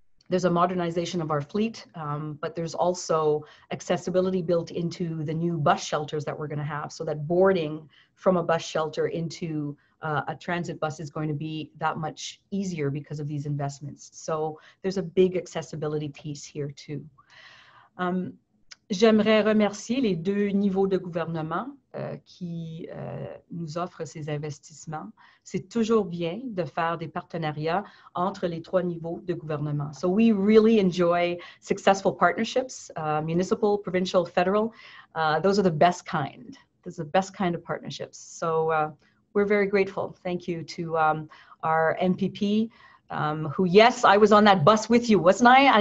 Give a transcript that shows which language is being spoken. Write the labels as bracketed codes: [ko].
[en] There's a modernization of our fleet, but there's also accessibility built into the new bus shelters that we're gonna have, so that boarding from a bus shelter into a transit bus is going to be that much easier because of these investments. So there's a big accessibility piece here too. [fr] J'aimerais remercier les deux niveaux de gouvernement qui nous offrent ces investissements. C'est toujours bien de faire des partenariats entre les trois niveaux de gouvernement. [en] So we really enjoy successful partnerships, municipal, provincial, federal. Those are the best kind. Those are the best kind of partnerships. So we're very grateful. Thank you to our MPP, who, yes, I was on that bus with you, wasn't I?